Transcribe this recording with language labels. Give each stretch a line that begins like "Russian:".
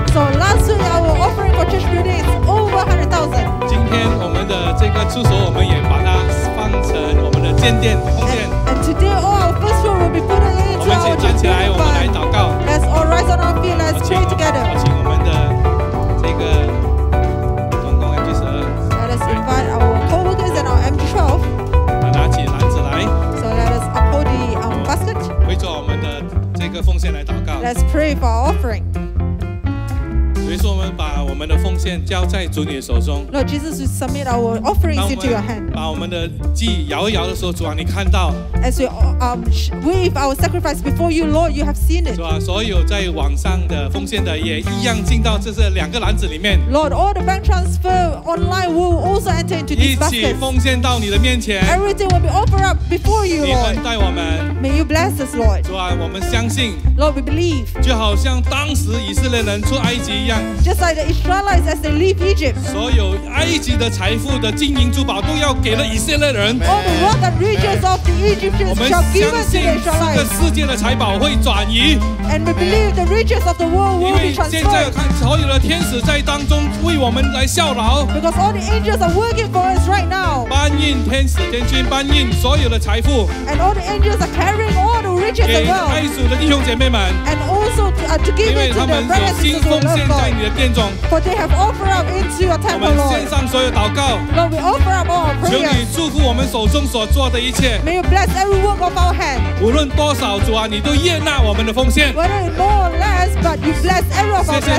English: So last week our offering for church building is over 100,000.
Chinese: 今天我们的这个出手，我们也把它放成我们的建殿奉献。
English: And today all our first fruit will be put into our church building.
Chinese: 我们先站起来，我们来祷告。
English: Let's all rise on our feet. Let's pray together.
Chinese: 好，请我们的这个总工 MG12。
English: Let us invite our co-workers and our MG12.
Chinese: 拿起篮子来。
English: So let us uphold the basket.
Chinese: 为着我们的这个奉献来祷告。
English: Let's pray for our offering.
Chinese: 所以说，我们把我们的奉献交在主你的手中。
English: Lord Jesus, we submit our offerings into your hand.
Chinese: 把我们的祭摇一摇的时候，主啊，你看到。
English: As we wave our sacrifice before you, Lord, you have seen it.
Chinese: 主啊，所有在网上的奉献的也一样进到这两个篮子里面。
English: Lord, all the bank transfer online will also enter into these baskets.
Chinese: 一起奉献到你的面前。
English: Everything will be offered up before you, Lord.
Chinese: 你恩待我们。
English: May you bless us, Lord.
Chinese: 主啊，我们相信。
English: Lord, we believe.
Chinese: 就好像当时以色列人出埃及一样。
English: Just like the Israelites as they leave Egypt.
Chinese: 所有埃及的财富的金银珠宝都要给了以色列人。
English: All the wealth and riches of the Egyptians shall be given to the Israelites.
Chinese: 我们相信这个世界的财宝会转移。
English: And we believe the riches of the world will be transferred.
Chinese: 因为现在看所有的天使在当中为我们来效劳。
English: Because all the angels are working for us right now.
Chinese: 搬运天使天君搬运所有的财富。
English: And all the angels are carrying all the riches of the world.
Chinese: 给埃及的弟兄姐妹们。
English: And also to give it to the brothers and sisters of the Lord. For they have offered up into your temple, Lord.
Chinese: 我们献上所有祷告。
English: Lord, we offer up all our prayers.
Chinese: 求你祝福我们手中所做的一切。
English: May you bless every work of our hand.
Chinese: 无论多少主啊，你都悦纳我们的奉献。
English: Whether in more or less, but you bless every of our blessings.